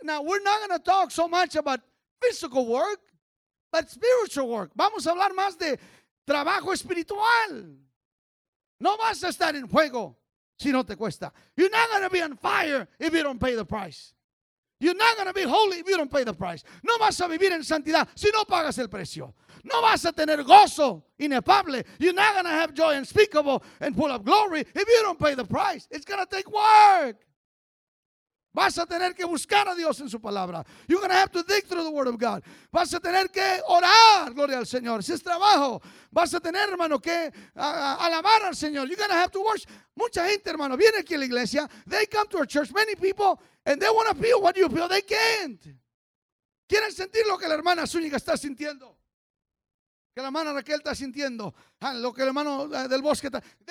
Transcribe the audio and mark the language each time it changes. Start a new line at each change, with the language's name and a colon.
English: Now, we're not going to talk so much about physical work, but spiritual work.
Spanish: Vamos a hablar más de trabajo espiritual. No vas a estar en fuego si no te cuesta.
English: You're not going to be on fire if you don't pay the price. You're not going to be holy if you don't pay the price.
Spanish: No vas a vivir en santidad si no pagas el precio. No vas a tener gozo inefable.
English: You're not going to have joy unspeakable and full of glory if you don't pay the price. It's going to take work.
Spanish: Vas a tener que buscar a Dios en su palabra.
English: You're going to have to dig through the word of God.
Spanish: Vas a tener que orar, gloria al Señor. Ese es trabajo. Vas a tener, hermano, que alabar al Señor.
English: You're going to have to worship.
Spanish: Mucha gente, hermano, viene aquí a la iglesia.
English: They come to our church, many people, and they want to feel what you feel. They can't.
Spanish: Quieren sentir lo que la hermana Zúñiga está sintiendo. Que la hermana Raquel está sintiendo, lo que el hermano del bosque está.